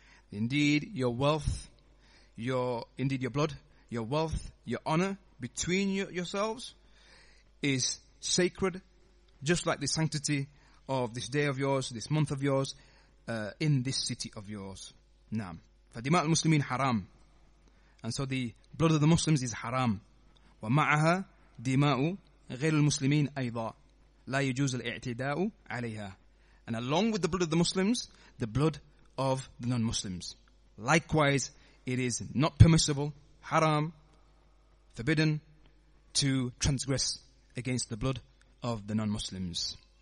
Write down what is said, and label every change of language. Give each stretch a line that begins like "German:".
English: Indeed, your wealth, your blood, your wealth, your honor between yourselves is sacred, just like the sanctity of this day of yours, this month of yours, in this city of yours.
Arabic: Naam. فَدِمَاءُ الْمُسْلِمِينَ حَرَامٍ.
English: And so the blood of the Muslims is haram.
Arabic: وَمَعَهَا دِمَاءُ غير المسلمين أيضا لا يجوز الاعتداء عليها.
English: And along with the blood of the Muslims, the blood of the non-Muslims. Likewise, it is not permissible, haram, forbidden, to transgress against the blood of the non-Muslims.